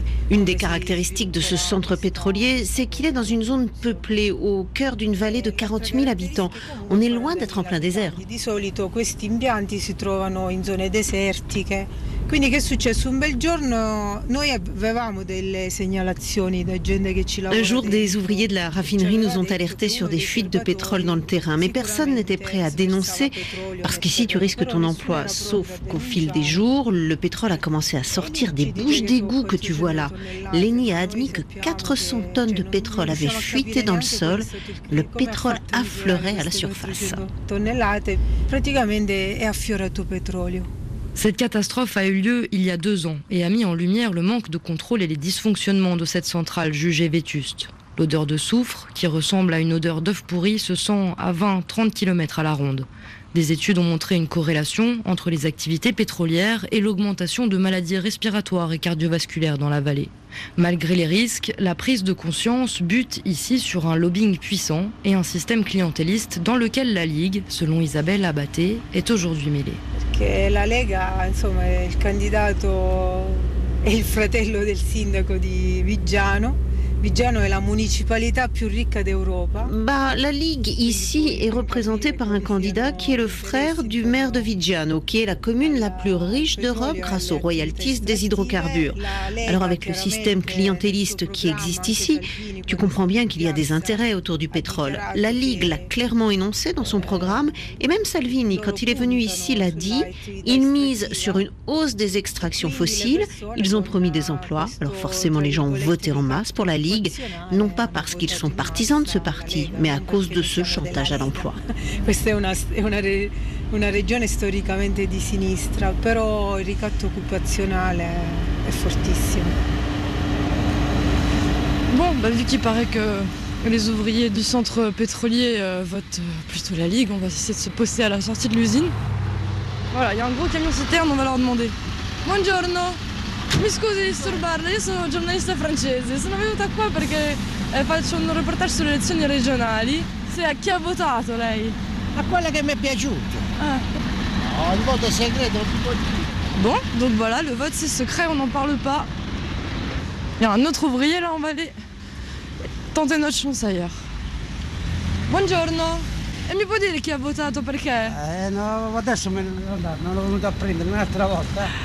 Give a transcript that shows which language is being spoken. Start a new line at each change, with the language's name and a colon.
French: Une des caractéristiques de ce centre pétrolier, c'est qu'il est dans une zone peuplée, au cœur d'une vallée de 40 000 habitants. On est loin d'être en plein désert.
Italian: Di solito questi impianti si trovano in zone desertiche. Quindi che è successo? Un bel giorno noi avevamo delle segnalazioni da gente che ci lavorava.
French: Un jour, des ouvriers de la raffinerie nous ont alertés sur des fuites de pétrole dans le terrain, mais personne n'était prêt à dénoncer parce qu'ici tu risques ton emploi. Sauf qu'au fil des jours, le pétrole a commencé à sortir des bouches d'égout que tu vois là. Leni a admis que 400 tonnes de pétrole avaient fuité dans le sol. Le pétrole affleurait à la surface.
Italian: Tonnellate, praticamente è affiorato petrolio.
French: Cette catastrophe a eu lieu il y a 2 ans et a mis en lumière le manque de contrôle et les dysfonctionnements de cette centrale jugée vétuste. L'odeur de soufre, qui ressemble à une odeur d'œuf pourri, se sent à 20-30 km à la ronde. Des études ont montré une corrélation entre les activités pétrolières et l'augmentation de maladies respiratoires et cardiovasculaires dans la vallée. Malgré les risques, la prise de conscience bute ici sur un lobbying puissant et un système clientéliste dans lequel la Ligue, selon Isabelle Abate, est aujourd'hui mêlée.
Italian: Perché la Lega, insomma, è il candidato, è il fratello del sindaco di Vigiano. Bigiano è la municipalità più ricca d'Europa.
French: Bah, la Ligue ici est représentée par un candidat qui est le frère du maire de Viggiano, qui est la commune la plus riche d'Europe grâce aux royalties des hydrocarbures. Alors avec le système clientéliste qui existe ici, tu comprends bien qu'il y a des intérêts autour du pétrole. La Ligue l'a clairement énoncé dans son programme et même Salvini, quand il est venu ici, l'a dit, ils misent sur une hausse des extractions fossiles, ils ont promis des emplois, alors forcément les gens ont voté en masse pour la Ligue, non pas parce qu'ils sont partisans de ce parti, mais à cause de ce chantage à l'emploi.
Italian: Questa è una regione storicamente di sinistra, però il ricatto occupazionale è fortissimo.
French: Bon, bah, vu qu'il paraît que les ouvriers du centre pétrolier votent plutôt la Ligue, on va essayer de se poster à la sortie de l'usine. Voilà, il y a un gros camion citerne, on va leur demander.
Italian: Buongiorno! Mi scusi di disturbarla, io sono giornalista francese, sono venuta qua perché faccio un reportage sulle elezioni regionali. Sì, a chi ha votato lei? A quella che mi è piaciuta. Ah. No, il voto è segreto, non si può dire.
French: Bon, donc voilà, le vote c'est secret, on n'en parle pas. Il y a un autre ouvrier là, on va aller tenter notre chance ailleurs.
Italian: Buongiorno. E mi può dire chi ha votato, perché? No, adesso me ne devo andare, non l'ho venuto a prendere un'altra volta.